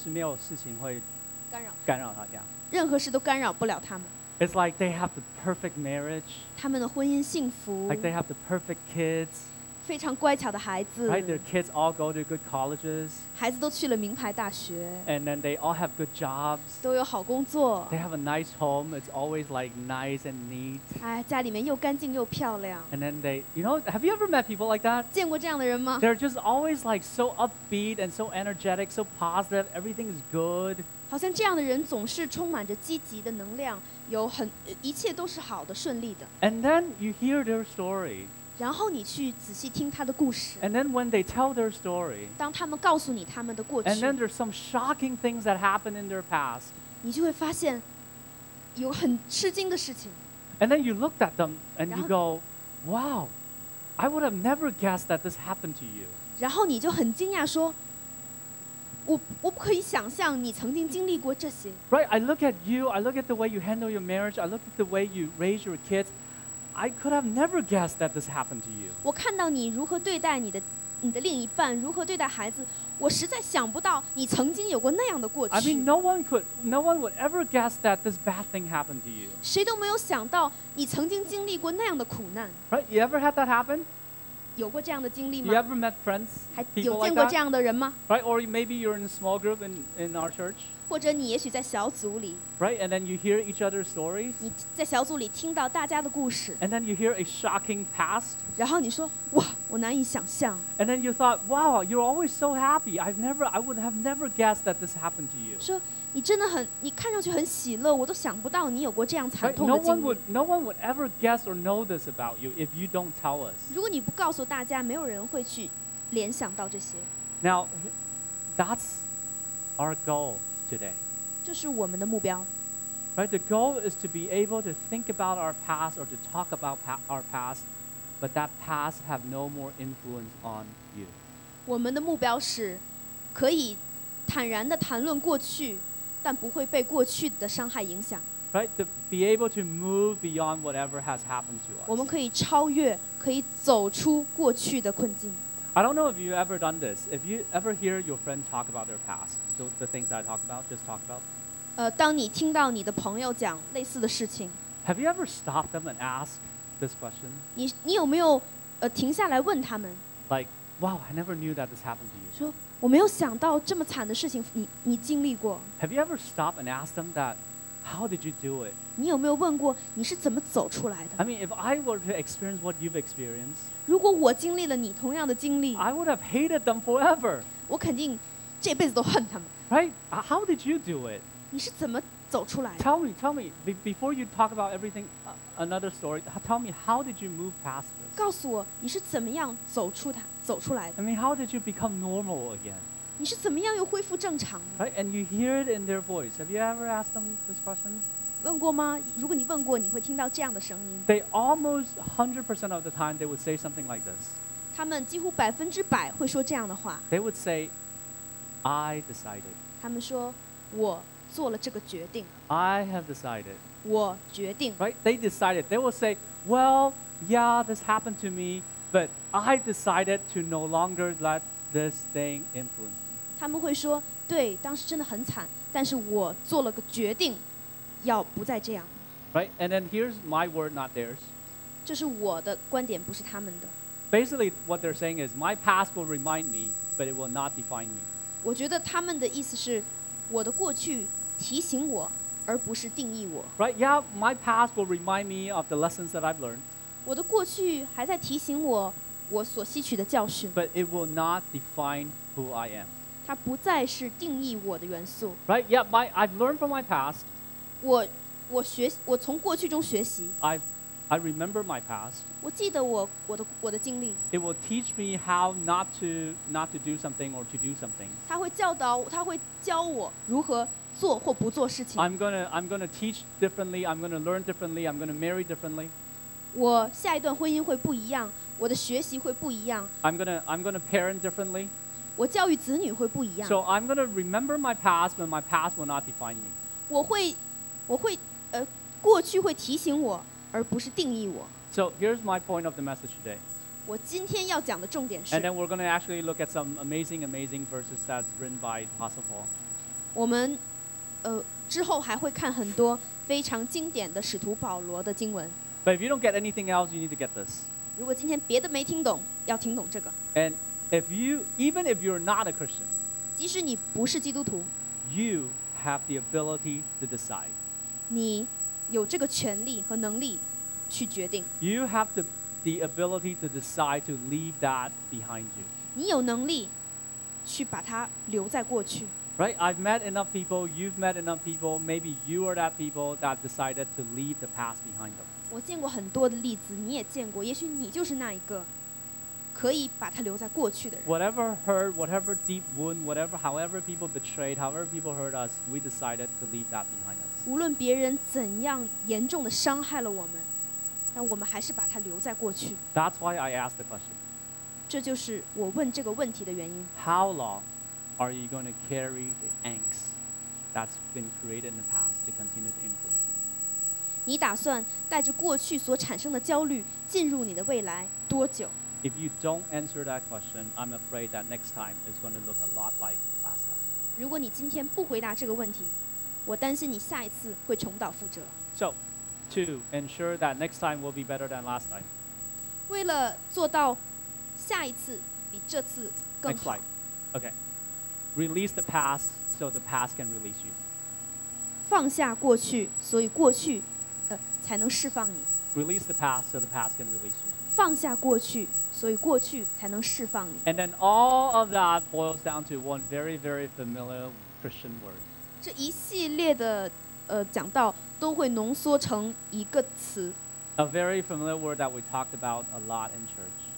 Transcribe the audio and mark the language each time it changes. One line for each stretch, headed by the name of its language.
Chinese: 好像就是没有事情会干扰他。
English: Yeah.
Chinese: 任何事都干扰不了他们。
English: It's like they have the perfect marriage.
Chinese: 他们的婚姻幸福。
English: Like they have the perfect kids.
Chinese: 非常乖巧的孩子。
English: Right, their kids all go to good colleges.
Chinese: 孩子都去了名牌大学。
English: And then they all have good jobs. 都有好工作。 They have a nice home. It's always like nice and neat.
Chinese: 哎，家里面又干净又漂亮。
English: And then they, you know, have you ever met people like that?
Chinese: 见过这样的人吗？
English: They're just always like so upbeat and so energetic, so positive. Everything is good.
Chinese: 好像这样的人总是充满着积极的能量，有很一切都是好的，顺利的。
English: And then you hear their story.
Chinese: 然后你去仔细听他的故事。
English: And then when they tell their story,
Chinese: 当他们告诉你他们的过去,
English: and then there's some shocking things that happened in their past,
Chinese: 你就会发现有很吃惊的事情。
English: And then you looked at them and you go, wow, I would have never guessed that this happened to you.
Chinese: 然后你就很惊讶说, 我不可以想象你曾经经历过这些。
English: Right, I look at you, I look at the way you handle your marriage, I look at the way you raise your kids, I could have never guessed that this happened to you.
Chinese: 我看到你如何对待你的另一半，如何对待孩子，我实在想不到你曾经有过那样的过去。
English: I mean, no one would ever guess that this bad thing happened to you.
Chinese: 谁都没有想到你曾经经历过那样的苦难。
English: Right? You ever had that happen?
Chinese: 有过这样的经历吗？
English: You ever met friends?
Chinese: 还有见过这样的人吗？
English: Right? Or maybe you're in a small group in our church.
Chinese: 或者你也许在小组里。
English: Right, and then you hear each other's stories.
Chinese: 你在小组里听到大家的故事。
English: And then you hear a shocking past.
Chinese: 然后你说，哇，我难以想象。
English: And then you thought, wow, you're always so happy. I would have never guessed that this happened to you.
Chinese: 说，你真的很，你看上去很喜乐，我都想不到你有过这样惨痛的经历。
English: Right, no one would ever guess or know this about you if you don't tell us.
Chinese: 如果你不告诉大家，没有人会去联想到这些。
English: Now, that's our goal. Today.
Chinese: 这是我们的目标。
English: Right, the goal is to be able to think about our past or to talk about our past but that past have no more influence on you.
Chinese: 我们的目标是可以坦然地谈论过去，但不会被过去的伤害影响。
English: Right, to be able to move beyond whatever has happened to us.
Chinese: 我们可以超越，可以走出过去的困境。
English: I don't know if you ever done this. If you ever hear your friend talk about their past, the things I talked about, just talked about.
Chinese: 当你听到你的朋友讲类似的事情。
English: Have you ever stopped them and asked this question?
Chinese: 你有没有停下来问他们
English: ？Like, wow, I never knew that this happened to you.
Chinese: 说我没有想到这么惨的事情你经历过。
English: Have you ever stopped and asked them that? How did you do it?
Chinese: 你有没有问过你是怎么走出来的
English: ？I mean, if I were to experience what you've experienced,
Chinese: 如果我经历了你同样的经历
English: ，I would have hated them forever.
Chinese: 我肯定这辈子都恨他们。
English: Right? How did you do it?
Chinese: 你是怎么走出来的
English: ？Tell me, before you talk about everything, another story. Tell me, how did you move past this?
Chinese: 告诉我你是怎么样走出来的
English: ？I mean, how did you become normal again?
Chinese: 你是怎么样又恢复正常的
English: ？Right? And you hear it in their voice. Have you ever asked them this question?
Chinese: 问过吗？如果你问过，你会听到这样的声音。
English: They almost 100% of the time they would say something like this.
Chinese: 他们几乎百分之百会说这样的话。
English: They would say, "I decided."
Chinese: 他们说，我。做了这个决定。
English: I have decided.
Chinese: 我决定。
English: Right? They decided. They will say, "Well, yeah, this happened to me, but I decided to no longer let this thing influence me."
Chinese: 他们会说，对，当时真的很惨，但是我做了个决定，要不再这样。
English: Right? And then here's my word, not theirs.
Chinese: 这是我的观点，不是他们的。
English: Basically, what they're saying is, my past will remind me, but it will not define me.
Chinese: 我觉得他们的意思是。我的过去提醒我，而不是定义我。
English: Right? Yeah, my past will remind me of the lessons that I've learned.
Chinese: 我的过去还在提醒我，我所吸取的教训。
English: But it will not define who I am.
Chinese: 它不再是定义我的元素。
English: Right? Yeah, I've learned from my past.
Chinese: 我从过去中学习。
English: I remember my past.
Chinese: 我记得我的经历。
English: It will teach me how not to do something or to do something.
Chinese: 它会教我如何做或不做事情。
English: I'm gonna teach differently. I'm gonna learn differently. I'm gonna marry differently.
Chinese: 我下一段婚姻会不一样，我的学习会不一样。
English: I'm gonna parent differently.
Chinese: 我教育子女会不一样。
English: So I'm gonna remember my past, but my past will not define me.
Chinese: 我会过去会提醒我。而不是定义我。
English: So here's my point of the message today.
Chinese: 我今天要讲的重点是。
English: And then we're going to actually look at some amazing verses that's written by Apostle Paul.
Chinese: 我们之后还会看很多非常经典的使徒保罗的经文。
English: But if you don't get anything else, you need to get this.
Chinese: 如果今天别的没听懂，要听懂这个。
English: And even if you're not a Christian,
Chinese: 即使你不是基督徒
English: ，you have the ability to decide.
Chinese: 你。有这个权利和能力去决定。
English: You have the ability to decide to leave that behind you.
Chinese: 你有能力去把它留在过去。
English: Right? I've met enough people, you've met enough people, maybe you are that people that decided to leave the past behind them.
Chinese: 我见过很多的例子，你也见过，也许你就是那一个可以把它留在过去的人。
English: Whatever hurt, whatever deep wound, whatever, however people betrayed, however people hurt us, we decided to leave that behind us.
Chinese: 无论别人怎样严重的伤害了我们，但我们还是把它留在过去。
English: That's why I asked the question.
Chinese: 这就是我问这个问题的原因。
English: How long are you going to carry the angst that's been created in the past to continue to influence you?
Chinese: 你打算带着过去所产生的焦虑进入你的未来多久？
English: If you don't answer that question, I'm afraid that next time is going to look a lot like last time.
Chinese: 如果你今天不回答这个问题，我担心你下一次会重蹈覆辙。
English: So, to ensure that next time will be better than last time.
Chinese: 为了做到下一次比这次更好。
English: Next slide. Okay. Release the past so the past can release you.
Chinese: 放下过去，所以过去，才能释放你。
English: Release the past so the past can release you.
Chinese: 放下过去。所以过去才能释放你。
English: And then all of that boils down to one very, very familiar Christian word.
Chinese: 这一系列的讲道都会浓缩成一个词。
English: A very familiar word that we talked about a lot in church.